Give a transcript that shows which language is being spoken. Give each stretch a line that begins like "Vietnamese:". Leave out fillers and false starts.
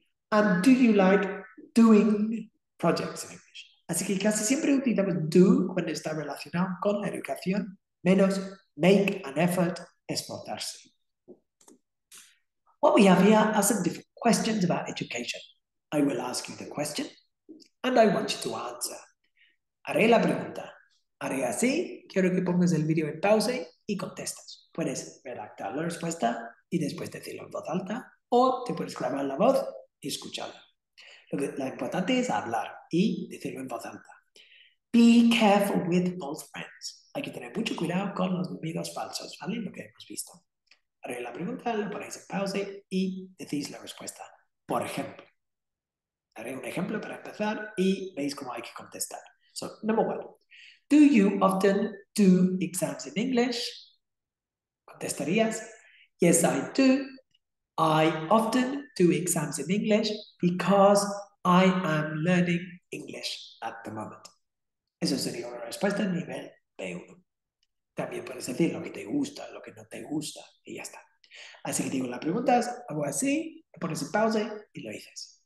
English: And do you like doing projects in English?
Spanish: Así que casi siempre utilizamos do cuando está relacionado con la educación, menos make an effort, esforzarse.
English: What we have here are some different questions about education. I will ask you the question and I want you to answer.
Spanish: Haré la pregunta. Haré así, quiero que pongas el video en pausa y contestas. Puedes redactar la respuesta y después decirlo en voz alta o te puedes grabar la voz y escucharla. Lo importante es hablar y decirlo en voz alta.
English: Be careful with false friends.
Spanish: Hay que tener mucho cuidado con los amigos falsos, ¿vale? Lo que hemos visto. Haré la pregunta, lo ponéis en pausa y decís la respuesta. Por ejemplo, haré un ejemplo para empezar y veis cómo hay que contestar.
English: So, number one. Do you often do exams in English?
Spanish: ¿Contestarías?
English: Yes, I do. I often do exams in English because I am learning English at the moment.
Spanish: Eso sería una respuesta a nivel B1. También puedes decir lo que te gusta, lo que no te gusta, y ya está. Así que digo las preguntas, hago así, pones en pausa y lo dices.